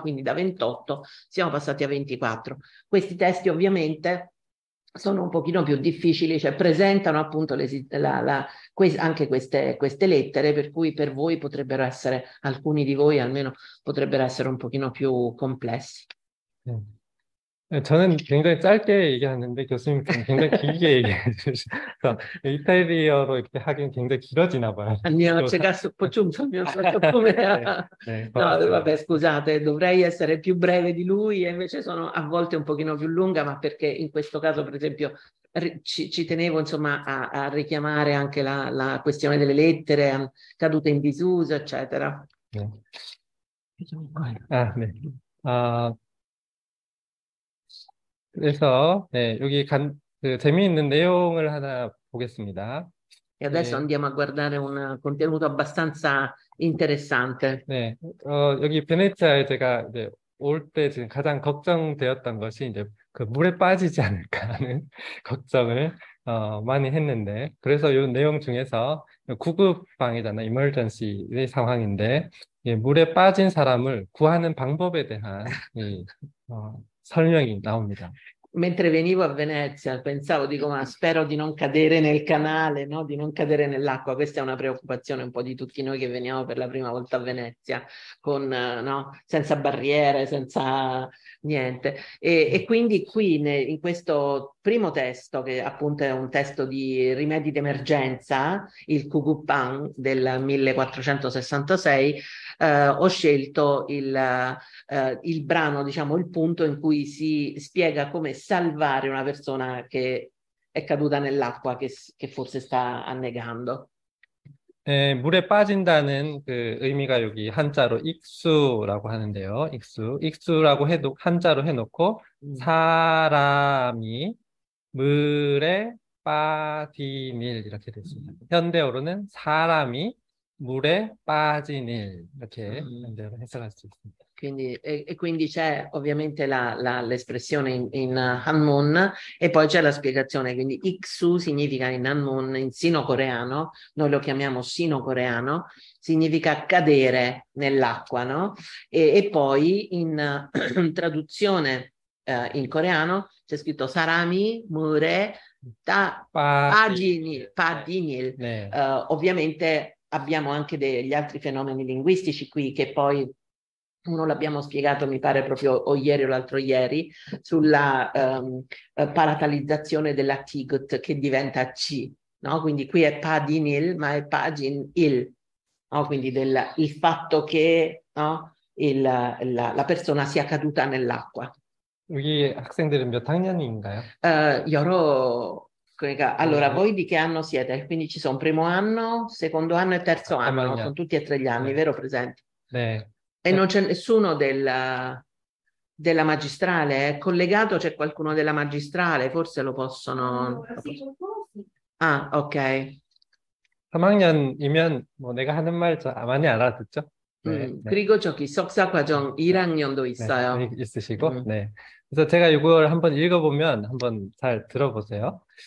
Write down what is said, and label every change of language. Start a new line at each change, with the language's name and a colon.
Italian: Quindi da 28 siamo passati a 24. Questi testi ovviamente sono un pochino più difficili, cioè presentano appunto anche queste lettere, per cui per voi potrebbero essere, alcuni di voi almeno, potrebbero essere un pochino più complessi. Sì.
Korean: 저는 굉장히 짧게 얘기하는데 교수님께서 굉장히 길게 얘기해 주셔서 이탈리어로 이렇게 하긴 굉장히 길어지나 봐요. 아니요, 제가 보충 설명을 조금해요. 네, 네,
Italian: no, vabbè, scusate, dovrei essere più breve di lui e invece sono a volte un pochino più lunga, ma perché in questo caso, per esempio, ci tenevo insomma a richiamare anche la questione delle lettere cadute in disuso, eccetera.
Korean: 네. 아, 네. 아 그래서 네, 여기 그 재미있는 내용을 하나 보겠습니다.
Italian: E adesso 네. andiamo a guardare un contenuto abbastanza interessante.
Korean: 네, 여기 베네치아에 제가 이제 올 때 지금 가장 걱정되었던 것이 이제 그 물에 빠지지 않을까 하는 걱정을 많이 했는데, 그래서 이 내용 중에서 구급방이잖아요. 이머전시의 상황인데 예, 물에 빠진 사람을 구하는 방법에 대한 이, 설명이 나옵니다.
Italian: Mentre venivo a Venezia pensavo, dico, ma spero di non cadere nel canale, no? Di non cadere nell'acqua. Questa è una preoccupazione un po' di tutti noi che veniamo per la prima volta a Venezia, con, no? Senza barriere, senza niente. E quindi qui, in questo primo testo, che appunto è un testo di rimedi d'emergenza, il Kugupang del 1466, ho scelto il brano, diciamo, il punto in cui si spiega come salvare una persona che è caduta nell'acqua, che forse sta annegando.
Korean: 네, 물에 빠진다는 그 의미가 여기 한자로 익수라고 하는데요. 익수, 익수라고 해도 한자로 해놓고 사람이 물에 빠진 일 이렇게 됐습니다. 현대어로는 사람이 물에 빠진 일 이렇게 현대어로 해석할 수 있습니다.
Italian: Quindi, e quindi c'è ovviamente l'espressione in Hanmon e poi c'è la spiegazione. Quindi Iksu significa in Hanmon, in sino-coreano, noi lo chiamiamo sino-coreano, significa cadere nell'acqua, no? E poi in traduzione in coreano c'è scritto Sarami Mure Ta Padinil. Padinil. Ne. Ovviamente abbiamo anche degli altri fenomeni linguistici qui che poi uno l'abbiamo spiegato, mi pare, proprio o ieri o l'altro ieri, sulla palatalizzazione della tigut che diventa ci, no? Quindi qui è pa di nil, ma è pa jin il, no? Quindi il fatto che, no? la persona sia caduta nell'acqua.
Korean: Qui 학생들은 몇 학년인가요? 여러...
Italian: Quindi, allora, voi di che anno siete? Quindi ci sono primo anno, secondo anno e terzo anno, no? Sono tutti e tre gli anni, yeah. Vero, presenti? Beh. E non c'è nessuno della magistrale, è collegato, c'è qualcuno della magistrale, forse lo possono... Ah, ok.
Korean: 3학년이면 뭐 내가 하는 말 많이 알아듣죠? 네, 네. 그리고 저기 석사 과정 1학년도 있어요. 네, 있으시고, 네. 그래서 제가 이걸 한번 읽어보면 한번 잘 들어보세요.